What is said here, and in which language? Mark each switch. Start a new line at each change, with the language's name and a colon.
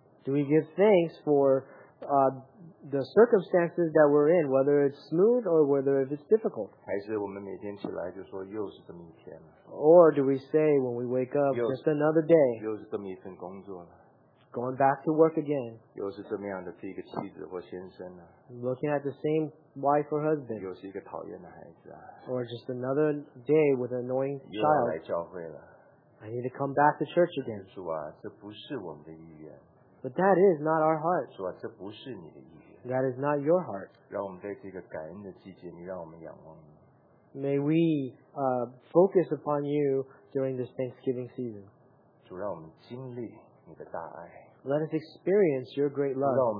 English: Do we give thanks for the circumstances that we're in, whether it's smooth or whether if it's difficult?
Chinese: 还是我们每天起来就说又是这么一天吗？
English: Or do we say when we wake up, just another day?
Chinese: 又是这么一份工作了。
English: Going back to work again.
Chinese: 又是这么样的一个妻子或先生呢?
English: Looking at the same wife or husband.
Chinese: 又是一个讨厌的孩子啊。
English: Or just another day with an annoying child.
Chinese: 又要来教会了。
English: I need to come back to church again.
Chinese: 主啊, 这不是我们的意愿。
English: But that is not our heart.
Chinese: 主啊, 这不是你的意愿。
English: That is not your heart.
Chinese: 让我们在这个感恩的季节, 你让我们仰望你。
English: May we focus upon you during this Thanksgiving season.
Chinese: 主让我们经历。
English: Let us experience your great love.